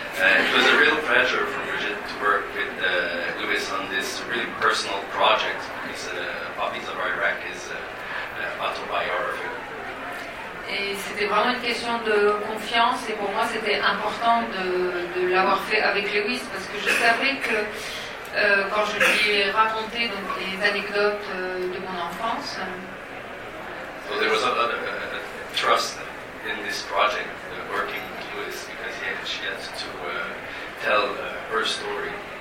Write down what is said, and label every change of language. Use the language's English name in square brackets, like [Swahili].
[English] It was a real pleasure for Bridget to work with Louis on this really personal project. His Puppies of Iraq is autobiography. [French] Et c'était vraiment une question de confiance, et pour moi c'était important de l'avoir fait avec Lewis, parce que je savais que quand je lui ai raconté donc, les anecdotes de mon enfance... [English] So there was a trust in this project, working with Lewis, because she had to tell her story.